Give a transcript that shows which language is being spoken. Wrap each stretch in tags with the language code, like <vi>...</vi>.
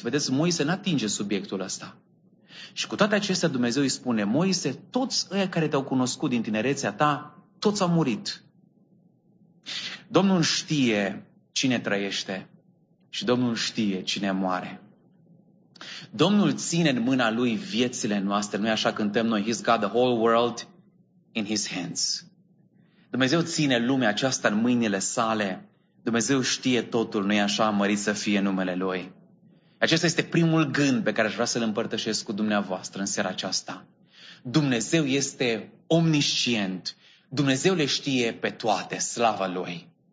<ro>Vedeți, Moise n-atinge subiectul ăsta. Și cu toate acestea, Dumnezeu îi spune: Moise, toți ăia care te-au cunoscut din tinerețea ta, toți au murit. Domnul știe cine trăiește și Domnul știe cine moare. Domnul ține în mâna Lui viețile noastre, nu-i așa cântăm noi?</ro> <en>He's got the whole world in His hands.</en> <ro>Dumnezeu ține lumea aceasta în mâinile sale. Dumnezeu știe totul, nu-i așa, mărit să fie numele Lui. Acesta este primul gând pe care aș vrea să-l împărtășesc cu dumneavoastră în seara aceasta. Dumnezeu este omniscient. Dumnezeu le știe pe toate, slavă Lui.</ro>